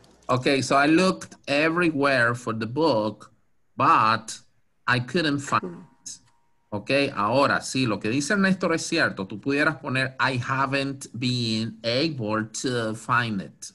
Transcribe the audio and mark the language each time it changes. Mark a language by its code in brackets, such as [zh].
[en] Okay, so I looked everywhere for the book, but I couldn't find it. [es] Okay, ahora sí, lo que dice Néstor es cierto. Tú pudieras poner, [en] I haven't been able to find it.